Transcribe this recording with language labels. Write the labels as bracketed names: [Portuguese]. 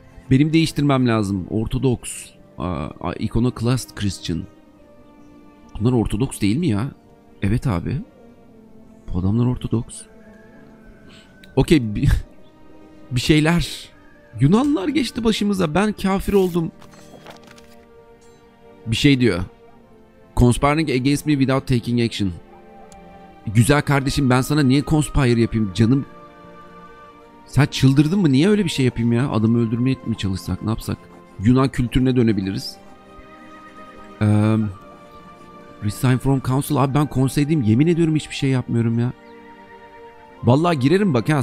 [Turkish] Benim değiştirmem lazım. Orthodox. [English] Iconoclast Christian. [Turkish] Bunlar Orthodox değil mi ya? Evet abi. Bu adamlar Orthodox. Okey. Bir şeyler. Yunanlar geçti başımıza. Ben kafir oldum. Bir şey diyor. [English] Conspiring against me without taking action. [Turkish] Güzel kardeşim ben sana niye conspire yapayım canım? Sen çıldırdın mı? Niye öyle bir şey yapayım ya? Adamı öldürmeye mi çalışsak? Ne yapsak? Yunan kültürüne dönebiliriz. [English] Resign from council. [Turkish] Abi ben konseydim. Yemin ediyorum hiçbir şey yapmıyorum ya. Vallahi girerim bak ha.